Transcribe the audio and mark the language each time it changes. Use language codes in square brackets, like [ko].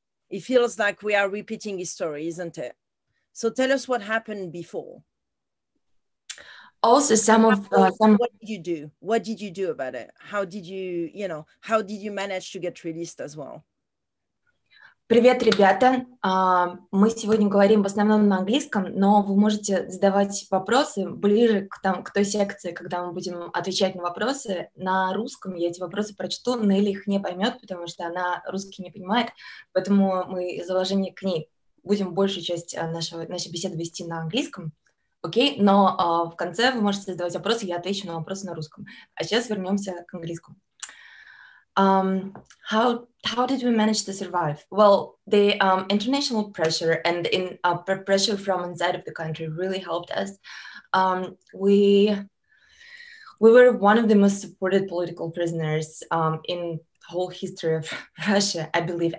[en] It feels like we are repeating history, isn't it? So tell us what happened before. Also, what did you do? What did you do about it? How did you, how did you manage to get released as well? [ru] Привет, ребята. Мы сегодня говорим в основном на английском, но вы можете задавать вопросы ближе к той секции, когда мы будем отвечать на вопросы. На русском я эти вопросы прочту, Нелли их не поймет, потому что она русский не понимает, поэтому мы из уважения к ней будем большую часть нашей беседы вести на английском. Окей? Но в конце вы можете задавать вопросы, я отвечу на вопросы на русском. А сейчас вернемся к английскому. [en] How did we manage to survive? Well, the international pressure and pressure from inside of the country really helped us. We were one of the most supported political prisoners in whole history of Russia, I believe.